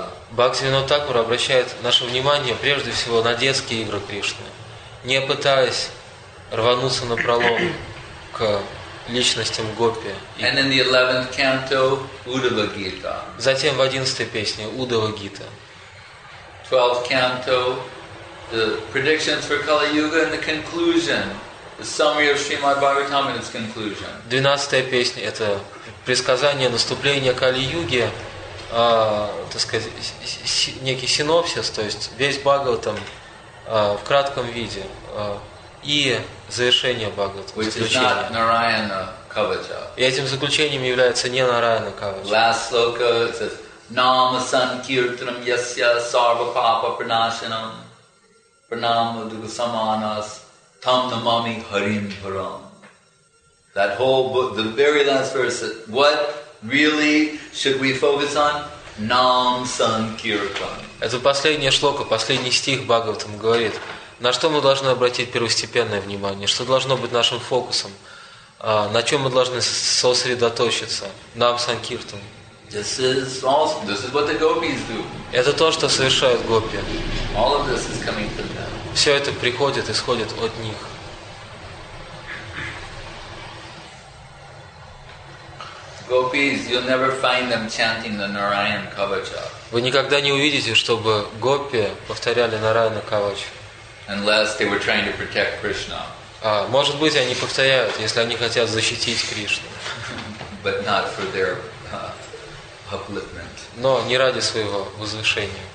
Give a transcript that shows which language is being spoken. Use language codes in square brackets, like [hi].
[ru] Бхактивинода Тхакур обращает наше внимание прежде всего на детские игры Кришны, не пытаясь рвануться на пролом к личностям гопи. [en] And in the 11th canto, Uddhava Gita. [ru] Затем в 11-й песне Уддхава Гита. [en] 12th canto, the predictions for Kali Yuga and the conclusion, the summary of Srimad Bhagavatam and its conclusion. [ru] 12-я песня это предсказание наступления Кали Юги. Так сказать, некий синопсис, то есть весь Бхагаватам в кратком виде и завершение Бхагаватам, заключение. [en] Which is not kavacha. [ru] И этим заключением является не нараяна кавача. [en] Last sloka says [sa] nam sankirtanam yasya sarva papa pranashanam pranam dukha samanas tam namami harim param. [en] That whole book, the very last verse, what really should we focus on? Nam sankirtan. [ru] Это последняя шлока, последний стих Бхагаватам говорит. На что мы должны обратить первостепенное внимание? Что должно быть нашим фокусом? На чем мы должны сосредоточиться? Нам санкиртан. [en] This is awesome. This is what the gopis do. [ru] Это то, что совершают гопи. [en] All of this is coming from them. [ru] Все это приходит, исходит от них. [en] Gopis, you'll never find them chanting the Narayan Kavacha. [ru] Вы никогда не увидите, чтобы гопи повторяли Нараяна Кавачу. [en] Unless they were trying to protect Krishna. [ru] Может быть, они повторяют, если они хотят защитить Кришну. [en] But not for their upliftment. [ru] Но не ради своего возвышения.